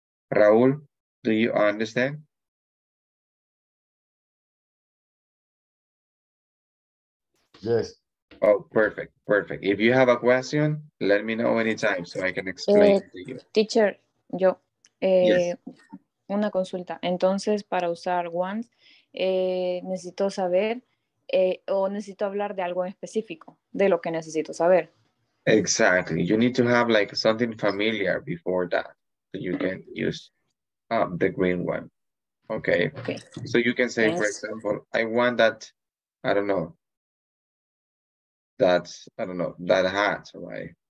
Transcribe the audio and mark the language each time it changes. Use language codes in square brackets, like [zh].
[en] Raúl, do you understand? Yes. Oh, perfect, perfect. If you have a question, let me know anytime so I can explain it to you. Teacher, [es] yo, [en] yes. [es] Una consulta. Entonces, para usar once, necesito saber o necesito hablar de algo en específico, de lo que necesito saber. [en] Exactly. You need to have like something familiar before that so you can use the green one. Okay. So you can say, yes. For example, I want that, I don't know, that, I don't know, that hat, right?